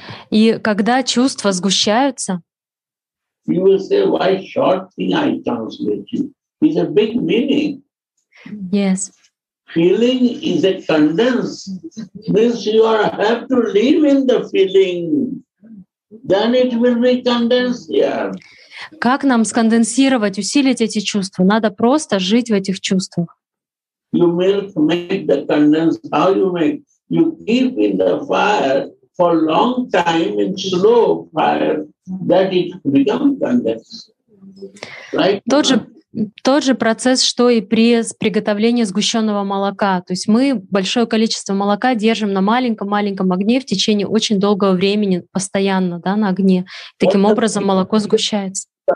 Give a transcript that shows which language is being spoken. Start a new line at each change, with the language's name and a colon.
Russian: и когда чувства сгущаются,
English: you will say, why short thing I translate you? It's a big meaning. Yes. Feeling is a condensed. Means you are have to live in the feeling. Then it will be condensed here.
Russian: Как нам сконденсировать, усилить эти чувства? Надо просто жить в этих чувствах.
English: You milk make the condensed. How you make? You keep in the fire for a long time in slow fire that it becomes condensed. Right?
Russian: Тот же процесс, что и при приготовлении сгущенного молока. То есть мы большое количество молока держим на маленьком-маленьком огне в течение очень долгого времени, постоянно, да, на огне. Таким образом молоко сгущается.